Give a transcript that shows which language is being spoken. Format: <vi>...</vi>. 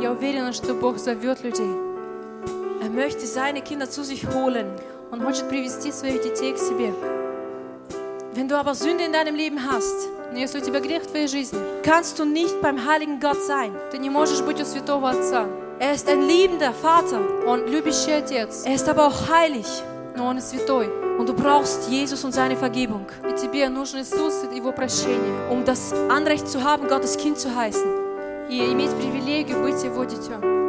<ru>Я уверена, что Бог зовет людей.</ru> <de>Er möchte seine Kinder zu sich holen.</de> <ru>Он хочет привести своих детей к себе.</ru> <de>Wenn du aber Sünde in deinem Leben hast,</de> <ru>но если у тебя грех в твоей жизни,</ru> <de>kannst du nicht beim Heiligen Gott sein.</de> <ru>Ты не можешь быть у Святого Отца.</ru> <de>Er ist ein liebender Vater.</de> <ru>Он любящий отец.</ru> <de>Er ist aber auch heilig.</de> <ru>Но он и святой.</ru> <de>Und du brauchst Jesus und seine Vergebung.</de> <ru>И тебе нужен Иисус и его прощение.</ru> <de>Um das Anrecht zu haben, Gottes Kind zu heißen.</de> <ru>И иметь привилегию быть его детем.</ru>